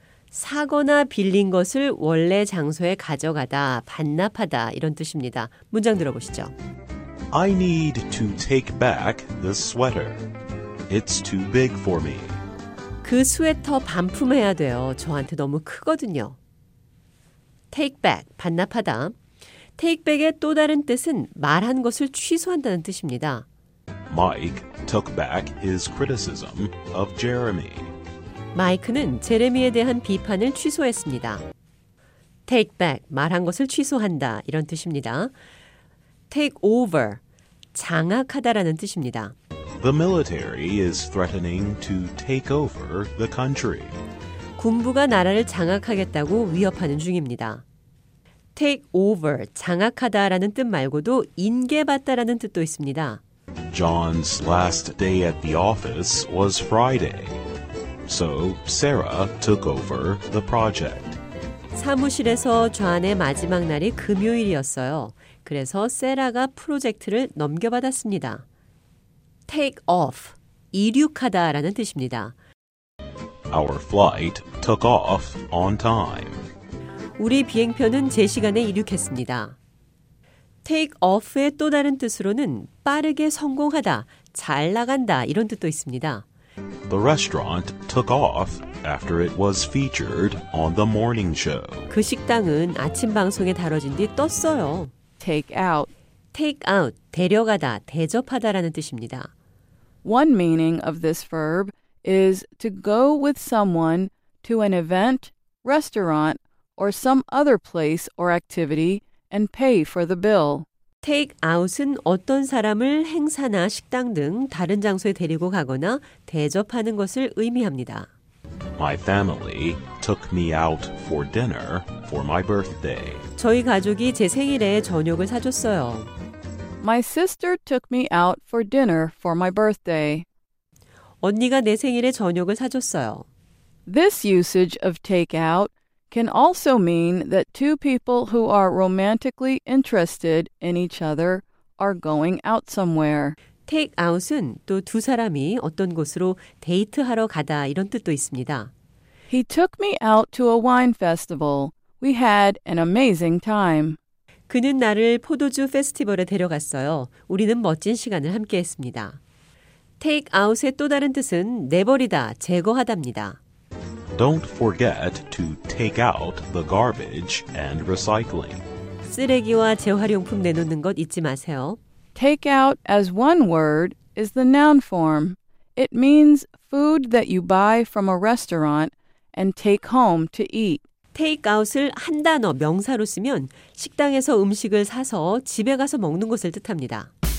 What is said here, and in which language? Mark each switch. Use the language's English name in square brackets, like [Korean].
[Korean] 사거나 빌린 것을 원래 장소에 가져가다, 반납하다 이런 뜻입니다. 문장 들어보시죠. [English] I need to take back the sweater. It's too big for me. [Korean] 그 스웨터 반품해야 돼요. 저한테 너무 크거든요. Take back, 반납하다. Take back의 또 다른 뜻은 말한 것을 취소한다는 뜻입니다. [English] Mike took back his criticism of Jeremy. [Korean] 마이크는 제레미에 대한 비판을 취소했습니다. Take back, 말한 것을 취소한다. 이런 뜻입니다. Take over, 장악하다라는 뜻입니다. [English] The military is threatening to take over the country. [Korean] 군부가 나라를 장악하겠다고 위협하는 중입니다. Take over, 장악하다라는 뜻 말고도 인계받다라는 뜻도 있습니다. [English] John's last day at the office was Friday. So Sarah took over the project. [Korean] 사무실에서 존의 마지막 날이 금요일이었어요. 그래서 세라가 프로젝트를 넘겨받았습니다. Take off, 이륙하다 라는 뜻입니다. [English] Our flight took off on time. [Korean] 우리 비행편은 제 시간에 이륙했습니다. take off의 또 다른 뜻으로는 빠르게 성공하다, 잘 나간다 이런 뜻도 있습니다. [English] The restaurant took off after it was featured on the morning show. [Korean] 그 식당은 아침 방송에 다뤄진 뒤 떴어요. [English] Take out. [Korean] Take out, 데려가다, 대접하다라는 뜻입니다. [English] One meaning of this verb is to go with someone to an event, restaurant, or some other place or activity and pay for the bill. [Korean] Take out은 어떤 사람을 행사나 식당 등 다른 장소에 데리고 가거나 대접하는 것을 의미합니다. [English] My family took me out for dinner for my birthday. [Korean] 저희 가족이 제 생일에 저녁을 사줬어요. [English] My sister took me out for dinner for my birthday. [Korean] 언니가 내 생일에 저녁을 사줬어요. [English] This usage of take out can also mean that two people who are romantically interested in each other are going out somewhere. [Korean] Take out은 또 두 사람이 어떤 곳으로 데이트하러 가다 이런 뜻도 있습니다. [English] He took me out to a wine festival. We had an amazing time. [Korean] 그는 나를 포도주 페스티벌에 데려갔어요. 우리는 멋진 시간을 함께했습니다. Take out의 또 다른 뜻은 내버리다, 제거하답니다. [English] Don't forget to take out the garbage and recycling. [Korean] 쓰레기와 재활용품 내놓는 것 잊지 마세요. [English] Take out as one word is the noun form. It means food that you buy from a restaurant and take home to eat. [Korean] Take out을 한 단어 명사로 쓰면 식당에서 음식을 사서 집에 가서 먹는 것을 뜻합니다.